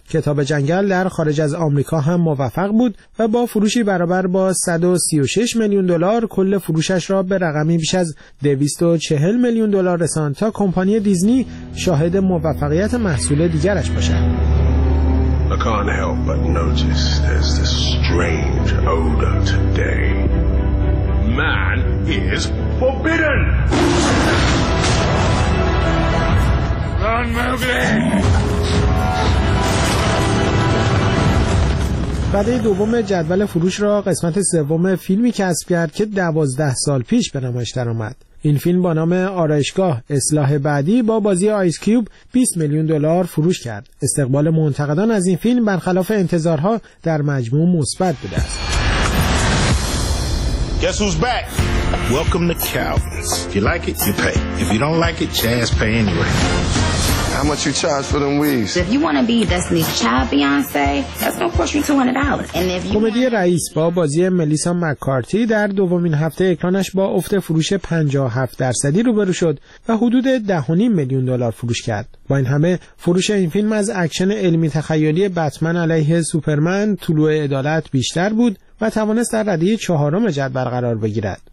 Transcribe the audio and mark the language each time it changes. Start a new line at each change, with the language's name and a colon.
Persian: کتاب جنگل در خارج از آمریکا هم موفق بود و با فروشی برابر با 136 میلیون دلار کل فروشش را به رقمی بیش از 240 میلیون دلار رساند تا کمپانی دیزنی شاهد موفقیت محصول دیگرش باشد.
English: I can't help but notice there's this strange odor today. Man is forbidden! Run, Mowgli!
Persian: بعد دوم جدول فروش را قسمت سوم فیلمی کسب کرد که 12 سال پیش به نمایش درآمد. این فیلم با نام آرایشگاه اصلاح بعدی با بازی آیس کیوب 20 میلیون دلار فروش کرد. استقبال منتقدان از این فیلم برخلاف انتظارها در مجموع مثبت بوده است.
English: Guess who's back? Welcome to Calvin's. If you like it, you pay. If you don't like it, jazz pay anyway. How much you charge for them weaves? If you want to be Destiny's Child Beyonce, that's going to cost you $200. And if you
Persian: کمدی رئیس با بازی ملیسا مک‌کارتی در دومین هفته اکرانش با افت فروش 57% روبرو شد و حدود 10.5 میلیون دلار فروش کرد. با این همه فروش این فیلم از اکشن علمی تخیلی بتمن علیه سوپرمن طلوع عدالت بیشتر بود و توانست در رده 4 جدول قرار بگیرد.